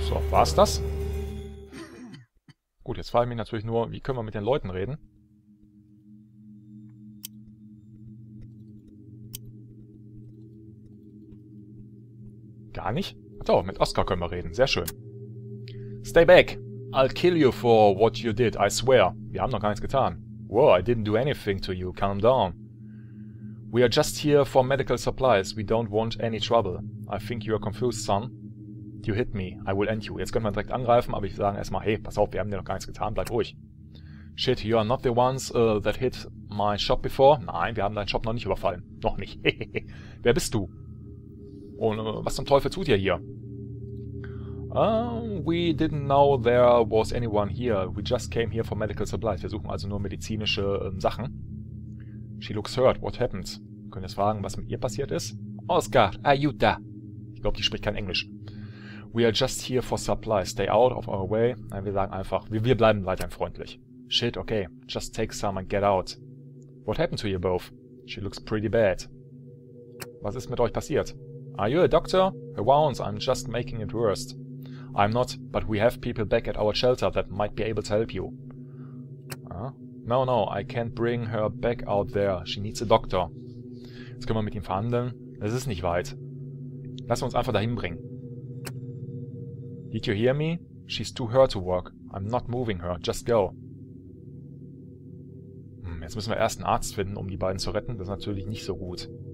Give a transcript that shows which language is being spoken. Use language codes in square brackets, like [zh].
[de] War's das? Gut, jetzt frage ich mich natürlich nur, wie können wir mit den Leuten reden? Gar nicht? Ach doch, mit Oscar können wir reden. Sehr schön. [en] Stay back. I'll kill you for what you did, I swear. [de] Wir haben noch gar nichts getan. [en] Whoa, I didn't do anything to you. Calm down. We are just here for medical supplies. We don't want any trouble. I think you are confused, son. You hit me, I will end you. [de] Jetzt könnte man direkt angreifen, aber ich sage erstmal, hey, pass auf, wir haben dir noch gar nichts getan, bleib ruhig. [en] Shit, you are not the ones that hit my shop before. [de] Nein, wir haben deinen Shop noch nicht überfallen. Noch nicht. Wer bist du? Und was zum Teufel tut ihr hier? [en] We didn't know there was anyone here. We just came here for medical supplies. [de] Wir suchen also nur medizinische Sachen. [en] She looks hurt. What happened? [de] Wir können jetzt fragen, was mit ihr passiert ist. Oscar, [en] are you there? [de] Ich glaube, die spricht kein Englisch. [en] We are just here for supplies. Stay out of our way. [de] Nein, wir sagen einfach, wir bleiben weiterhin freundlich. [en] Shit, okay. Just take some and get out. What happened to you both? She looks pretty bad. [de] Was ist mit euch passiert? [en] Are you a doctor? Her wounds, I'm just making it worse. I'm not, but we have people back at our shelter that might be able to help you. No, no, I can't bring her back out there. She needs a doctor. [de] Jetzt können wir mit ihm verhandeln. Es ist nicht weit. Lass uns einfach dahin bringen. [en] Did you hear me? She's too hurt to walk. I'm not moving her. Just go. [de] Jetzt müssen wir erst einen Arzt finden, um die beiden zu retten. Das ist natürlich nicht so gut.